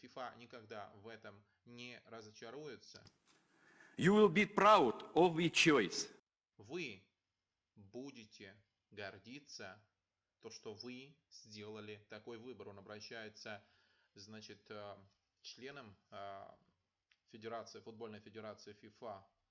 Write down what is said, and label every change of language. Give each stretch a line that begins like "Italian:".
Russian: FIFA никогда в этом не разочаруется.
English: You will be proud of your choice.
Russian: Вы будете гордиться то, что вы сделали такой выбор. Он обращается, значит, членам федерации, футбольной федерации FIFA.